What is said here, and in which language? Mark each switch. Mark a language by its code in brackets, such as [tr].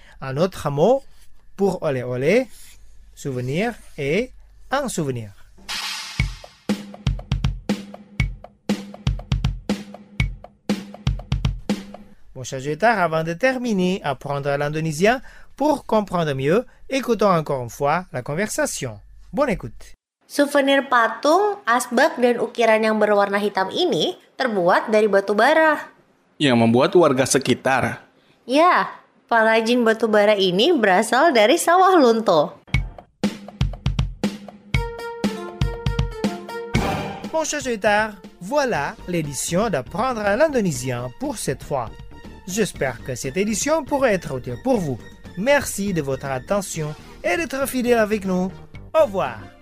[fr] Un autre mot pour oleh oleh, souvenir, est un souvenir. Bon, chers auditeurs, avant de terminer, apprendre l'indonésien pour comprendre mieux, écoutons encore une fois la conversation. Bonne écoute. [id] Souvenir patung, asbak, dan ukiran yang berwarna hitam ini terbuat dari batu bara. Yang membuat warga sekitar. Ya, pengrajin batu bara ini berasal dari sawah lunto. [fr] Bon, chers auditeurs, voilà l'édition d'apprendre l'indonésien pour cette fois. J'espère que cette édition pourra être utile pour vous. Merci de votre attention et d'être fidèle avec nous. Au revoir.